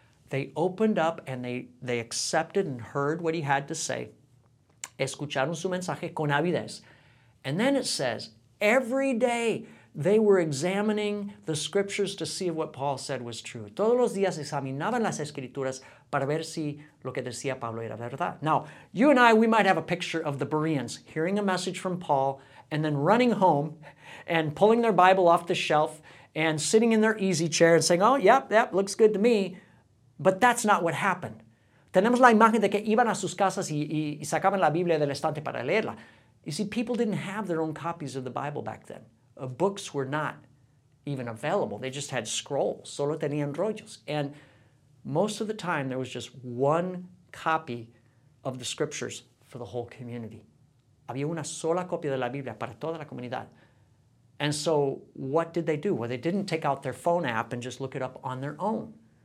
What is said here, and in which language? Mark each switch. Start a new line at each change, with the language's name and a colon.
English: They opened up and they accepted and heard what he had to say.
Spanish: Escucharon su mensaje con avidez.
English: And then it says, every day they were examining the scriptures to see if what Paul said was true.
Spanish: Todos los días examinaban las escrituras para ver si lo que decía Pablo era verdad.
English: Now, you and I, we might have a picture of the Bereans hearing a message from Paul and then running home and pulling their Bible off the shelf and sitting in their easy chair and saying, oh, yep, yep, looks good to me. But that's not what happened.
Spanish: Tenemos la imagen de que iban a sus casas y sacaban la Biblia del estante para leerla.
English: You see, people didn't have their own copies of the Bible back then. Books were not even available. They just had scrolls.
Spanish: Solo tenían rollos.
English: And most of the time, there was just one copy of the scriptures for the whole community.
Spanish: Había una sola copia de la Biblia para toda la comunidad.
English: And so what did they do? Well, they didn't take out their phone app and just look it up on their own.